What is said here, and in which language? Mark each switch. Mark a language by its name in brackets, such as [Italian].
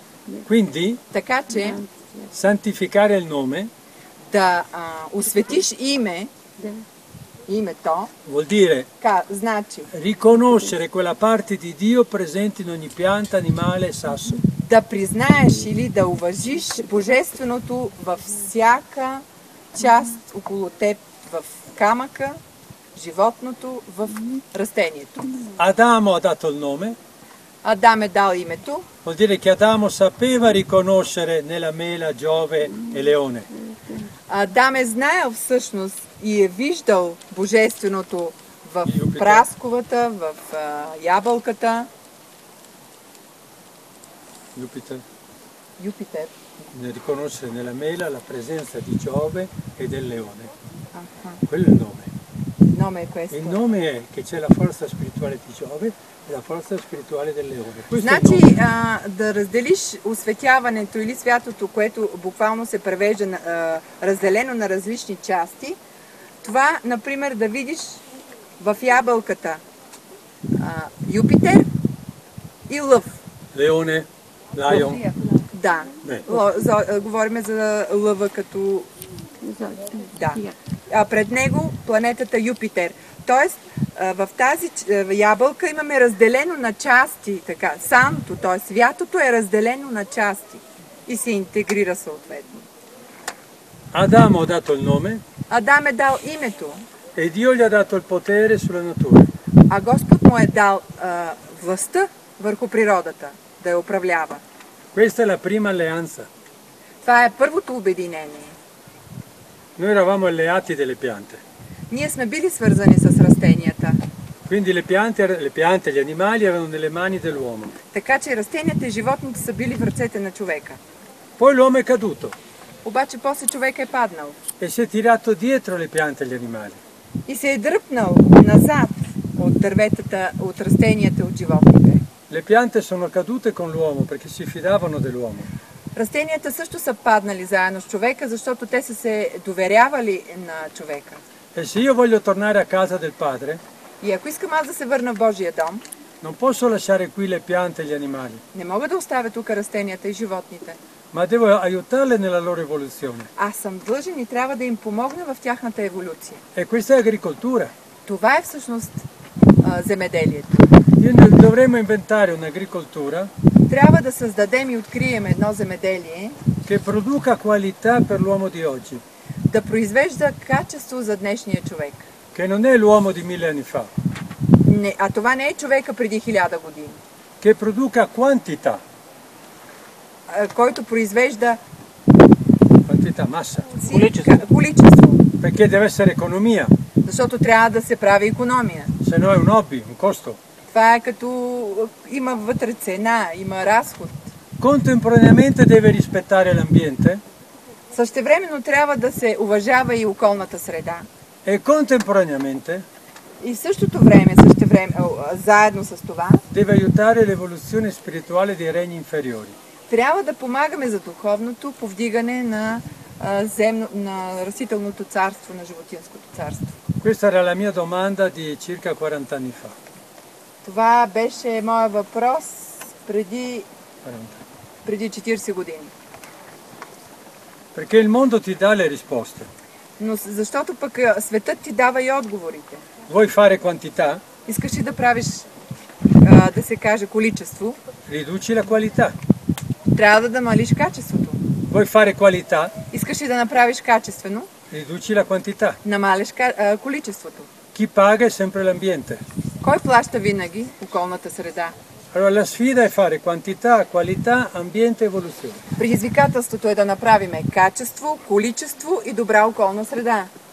[Italian] Quindi, [Bulgarian] така че [Italian] santificare il nome, [Bulgarian] да осветиш име, името, [Italian] vuol dire, [Bulgarian] значи, [Italian] riconoscere quella parte di Dio presente in ogni pianta, animale e sasso. [Bulgarian] Да признаеш или да уважиш божественото във всяка част около теб, в камъка, животното, в растението. [Italian] Адамо ha dato il nome. [Bulgarian] Адам е дал името. [Italian] Vuol dire che Adamo sapeva riconoscere nella mela Giove e Leone. [Bulgarian] Адам е знаел всъщност и е виждал божественото в прасковата, в ябълката. Юпитер. [Italian] Не riconoscere nella mela la presenza di Giove e del Leone. Quello è il nome. Nome è questo. Il nome è che c'è la forza spirituale di Giove e la forza spirituale del Leone. Questo [Bulgarian] значи, да разделиш осветяването или святото, което буквално се превежда разделено на различни части, това, например, да видиш в ябълката Юпитер и Лъв. Леоне, Лайон. Да. Говорим за Лъва като... Да. А пред него планетата Юпитер. Тоест, в тази ябълка имаме разделено на части, така, Санто, т.е. святото е разделено на части и се интегрира съответно. [Italian] Адамо ha dato il nome. [Bulgarian] Адам е дал името. [Italian] E Dio gli ha dato il potere sulla natura. [Bulgarian] А Господ му е дал властта върху природата да я управлява. [Italian] Questa è la prima alleanza. [Bulgarian] Това е първото обединение. [Italian] Noi eravamo alleati delle piante. [Bulgarian] Ние сме били свързани с растенията. [Italian] Quindi le piante, gli animali erano nelle mani dell'uomo. [Bulgarian] Така че растенията и животните са били в ръцете на човека. [Italian] Poi l'uomo è caduto. [Bulgarian] Обаче после човек е паднал. [Italian] E si è tirato dietro le piante e gli animali. [Bulgarian] И се е дръпнал назад от дърветата, от растенията, от животните. [Italian] Le piante sono cadute con l'uomo perché si fidavano dell'uomo. [Bulgarian] Растенията също са паднали заедно с човека, защото те са се доверявали на човека. [Italian] E se io voglio tornare a casa del padre? [Bulgarian] И ако искам аз да се върна в Божия дом? [Italian] Non posso lasciare qui le piante e gli animali. [Bulgarian] Не мога да оставя тук растенията и животните. [Italian] Ma devo aiutarle nella loro evoluzione. [Bulgarian] Аз съм дължен и трябва да им помогна в тяхната еволюция. [Italian] E questa è agricoltura. [Bulgarian] Това е всъщност земеделието. [Italian] Quindi dovremmo inventare un'agricoltura. [Bulgarian] Трябва да създадем и открием едно земеделие, [Italian] che produca qualità per l'uomo di oggi. [Bulgarian] Да произвежда качество за днешния човек. [Italian] Che non è l'uomo di mille anni fa. [Bulgarian] Не, а това не е човека преди 1000 години. [Italian] Che produca quantità. [Bulgarian] Който произвежда [Italian] quantità, massa. [Bulgarian] Количество. [Italian] Perché deve essere economia. [Bulgarian] Защото трябва да се прави економия. [Italian] Se no è un hobby, un costo. [Bulgarian] Това е като има вътре цена, има разход. [Italian] contemporaneamente deve rispettare l'ambiente. [Bulgarian] Същевременно трябва да се уважава и околната среда. [Italian] E contemporaneamente. [Bulgarian] И същото време, заедно с това. [Italian] Deve aiutare l'evoluzione spirituale dei regni inferiori. [Bulgarian] Трябва да помагаме за духовното повдигане на земно, на растителното царство, на животинското царство. [Italian] Questa era la mia domanda di circa 40 anni fa. [Bulgarian] Това беше моя въпрос преди 40 години. [Italian] Perché il mondo ti dà le risposte. [Bulgarian] Но защото пък светът ти дава и отговорите. [Italian] Vuoi fare quantità? [Bulgarian] Искаш ли да правиш, да се каже, количество? [Italian] Riduci la qualità. [Bulgarian] Трябва да намалиш качеството. [Italian] Vuoi fare qualità? [Bulgarian] Искаш ли да направиш качествено? [Italian] Riduci la quantità. [Bulgarian] Намалиш количеството. [Italian] Chi paga è sempre l'ambiente. [Bulgarian] Кой плаща винаги околната среда? [Italian] Allora la sfida è fare quantità, qualità, ambiente, evoluzione. [Bulgarian] Предизвикателството е да направим качество, количество и добра околна среда.